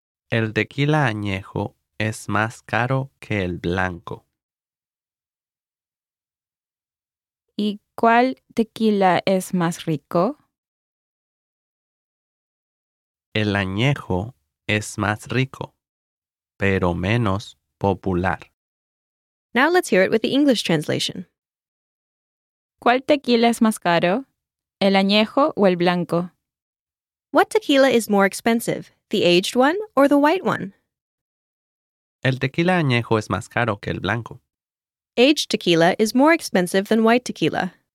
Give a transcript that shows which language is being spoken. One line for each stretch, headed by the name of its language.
Spanish: El tequila añejo es más caro que el blanco. ¿Y cuál tequila es más rico? El añejo es más rico, pero menos popular.
English: Now let's hear it with the English translation.
Spanish: ¿Cuál tequila es más caro, el añejo o el blanco?
English: What tequila is more expensive, the aged one or the white one?
Spanish: El tequila añejo es más caro que el blanco.
English: Aged tequila is more expensive than white tequila.